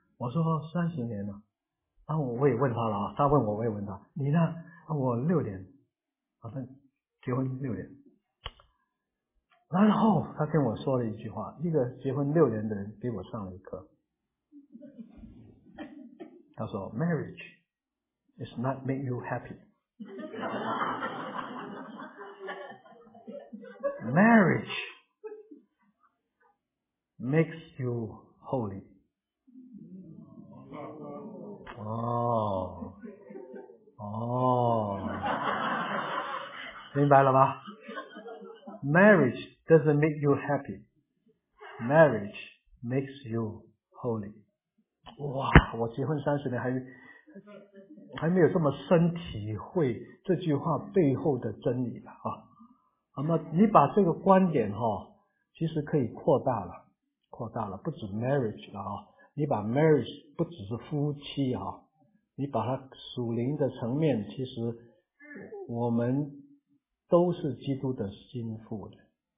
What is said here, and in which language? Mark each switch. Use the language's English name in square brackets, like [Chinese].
[Chinese] 我说30年了。然后我也问他了，他问我，我也问他，你呢？我6年。好像结婚六年。然后他跟我说了一句话，一个结婚六年的人给我上了一课。他说 [English] ,Marriage is not make you happy. Marriage makes you holy. [Chinese] 哦哦，明白了吧？ [English] Marriage doesn't make you happy. Marriage makes you holy. [Chinese] 哇，我结婚三十年还没有这么深体会这句话背后的真理吧。那么你把这个观点其实可以扩大了，不止 marriage 了，你把 marriage 不只是夫妻，你把它属灵的层面，其实我们都是基督的心腹的。